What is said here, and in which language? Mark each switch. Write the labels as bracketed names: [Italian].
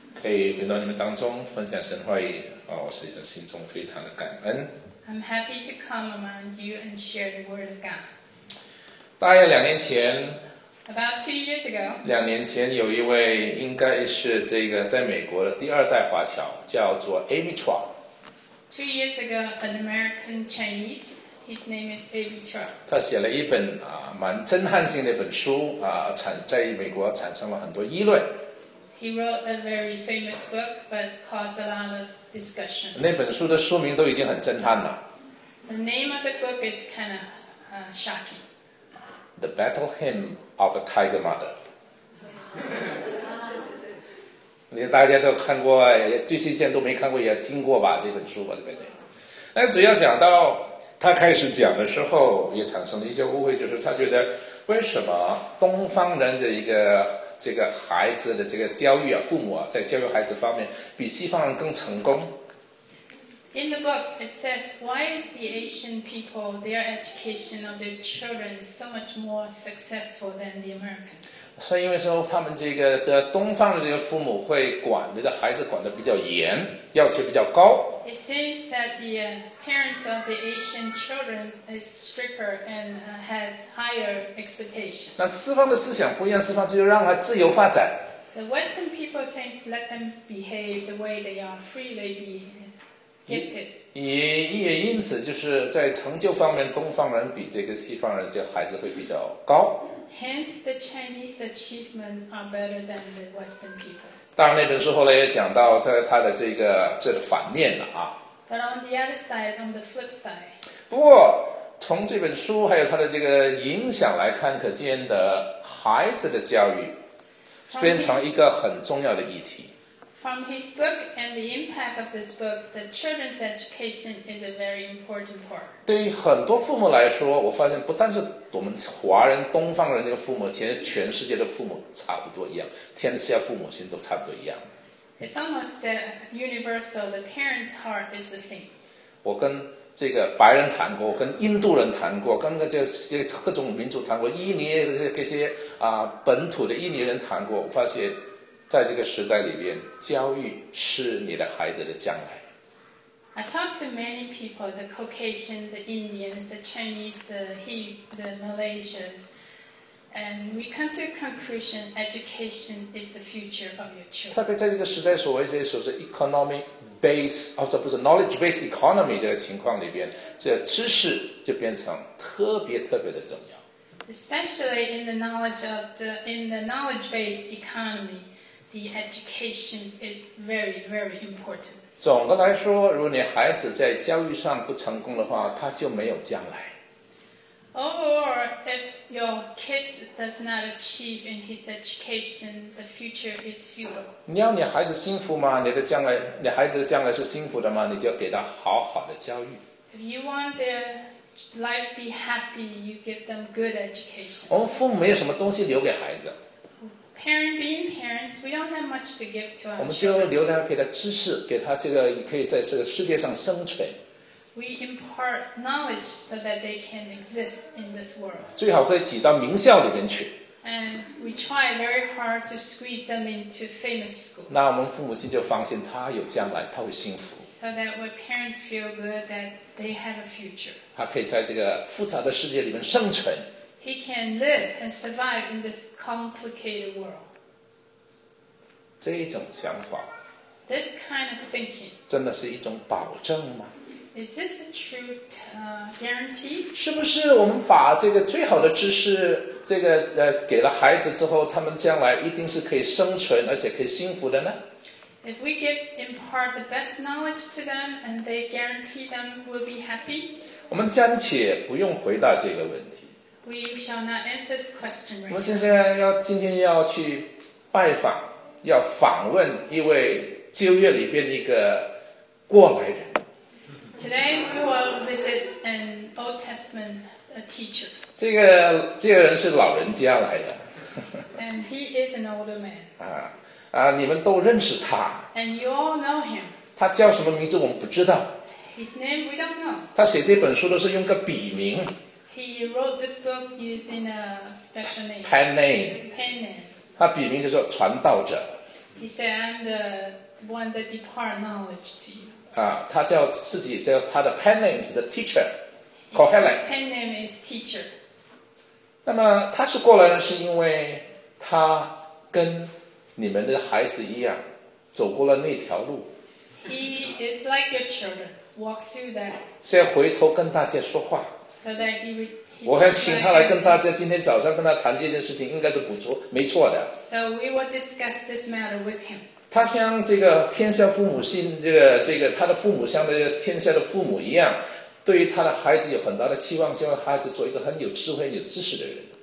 [Chinese] 可以回到你们当中分享神话语、哦、我是一种心中非常的感恩。 [English] I'm happy to come among you and share the word of God。 [Chinese] 大约两年前 [English] About 2 years ago， [Chinese] 两年前有一位应该是这个在美国的第二代华侨叫做 Amy Chua。 [English] 2 years ago an American ChineseHis name is A.B. Chua. [Chinese] 他写了一本、蛮震撼性的一本书、在美国产生了很多议论。 [English] He wrote a very famous book, but caused a lot of discussion. [Chinese] 那本书的书名都已经很震撼了。 [English] The name of the book is kind of、shocking. The Battle Hymn of a Tiger Mother. [Chinese] 大家都看过，最新鲜都没看过也听过吧，这本书吧，这本书。那主要讲到他开始讲的时候也产生了一些误会，就是他觉得为什么东方人的一个这个孩子的这个教育啊，父母啊在教育孩子方面比西方人更成功。 [English] In the book it says why is the Asian people their education of their children so much more successful than the Americans。 [Chinese] 所以因为说他们这个这东方的这个父母会管的这孩子管的比较严，要求比较高。 [English] It seems that theparents of the Asian children is stricter and has higher expectation. [Chinese] 那西方的思想不一样，西方就让他自由发展。 [English] The Western people think let them behave the way they are, freely be gifted. [Chinese] 也因此就是在成就方面，东方人比这个西方人的孩子会比较高。 [English] Hence the Chinese achievement are better than the Western people. [Chinese] 当然那本书后来也讲到他的这个这个反面了啊。 [English] But on the other side, on the flip side. [Chinese] 不过从这本书还有它的这个影响来看，可见的孩子的教育变成一个很重要的议题。 [English] From his book and the impact of this book, the children's education is a very important part. [Chinese] 对于很多父母来说，我发现不但是我们华人、东方人这个父母，其实全世界的父母差不多一样，天下父母心都差不多一样。 [English] It's almost the universal, the parent's heart is the same. [Chinese] 我跟这个白人谈过，跟印度人谈过，跟这些各种民族谈过，印尼的这些、本土的印尼人谈过，我发现在这个时代里面，教育是你的孩子的将来。 [English] I talked to many people, the Caucasian, the Indians, the Chinese, the Malaysians, and we come to a conclusion education is the future of your children. [Chinese] 特别在这个时代所谓这些所谓 [English] economic base [Chinese] 不是 [English] knowledge based economy [Chinese] 这个情况里边，这知识就变成特别特别的重要。 [English] Especially in the knowledge of the, in the knowledge based economy, the education is very, very important. [Chinese] 总的来说，如果你孩子在教育上不成功的话，他就没有将来。 [English] Or if your kids does not achieve in his education, the future is futile. [Chinese] 你要你孩子幸福吗？你的将来，你孩子的将来是幸福的吗？你就给他好好的教育。 [English] If you want their life be happy, you give them good education. [Chinese] 我们父母没有什么东西留给孩子。 [English] Parent being parents, we don't have much to give to our children. [Chinese] 我们就留他给他知识，给他这个可以在这个世界上生存。 [English] We impart knowledge so that they can exist in this world. [Chinese] 最好可以挤到名校里面去。 [English] And we try very hard to squeeze them into famous school. [Chinese] 那我们父母亲就放心，他有将来，他会幸福。 [English] So that our parents feel good that they have a future. [Chinese] 他可以在这个复杂的世界里面生存。 [English] He can live and survive in this complicated world. [Chinese] 这一种想法。 [English] This kind of thinking. [Chinese] 真的是一种保证吗？ [English] Is this a true guarantee? [Chinese] 是不是我们把这个最好的知识，这个给了孩子之后，他们将来一定是可以生存，而且可以幸福的呢？ [English] If we give impart the best knowledge to them, and they guarantee them will be happy. [Chinese] 我们暂且不用回答这个问题。 [English] We shall not answer this question right now. [Chinese] 我们现在要今天要去拜访，要访问一位旧约里边一个过来人。 [English] Today we will visit an Old Testament teacher. [Chinese] 这个人是老人家来的。 [English] And he is an older man. [Chinese] 你们都认识他。 [English] And you all know him. [Chinese] 他叫什么名字我们不知道。 [English] His name we don't know. [Chinese] 他写这本书都是用个笔名。 [English] He wrote this book using a special name. Pen name. Pen name. [Chinese] 他笔名叫做传道者。 [English] He said, "I'm the one that depart knowledge to you." [Chinese] 啊，他叫自己叫他的 [English] pen name [Chinese] 是 [English] the teacher, [Chinese] Kohelet. [English] His pen name is teacher. [Chinese] 那么他是过来呢，是因为他跟你们的孩子一样，走过了那条路。 [English] He is like your children, walk through that. [Chinese] 先回头跟大家说话。 [English] So that he would. [Chinese] 我还请他来跟大家今天早上跟他谈这件事情应该是不错没错的。 [English] So we will discuss this matter with him. [Chinese] 他像这个天下父母信这个他的父母像天下的父母一样对于他的孩子有很大的期望希望孩子做一个很有智慧有知识的人。